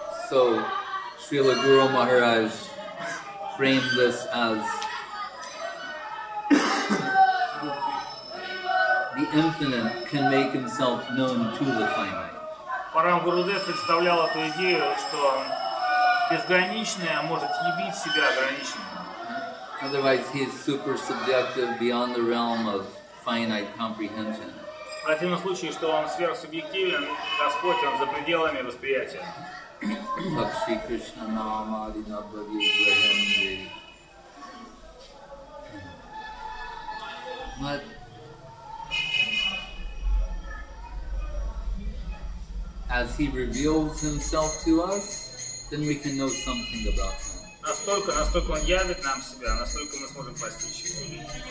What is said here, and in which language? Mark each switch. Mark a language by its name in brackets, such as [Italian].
[English] So, Srila Guru Maharaj framed this as the infinite can make himself known to the finite. [Russian] Param Гурудев представлял эту идею, что безграничное может явить себя ограниченным. [English] Otherwise, he is super subjective beyond the realm of finite comprehension. [Russian] В противном случае, что он сверхсубъективен, Господь, он за пределами восприятия. [Sanskrit] Бхакти Кришна Нама Адина Бхаги Брахамди. [English] But as he reveals himself to us, then we can know something about him. [Russian] Настолько он явит нам себя, настолько мы сможем постичь его.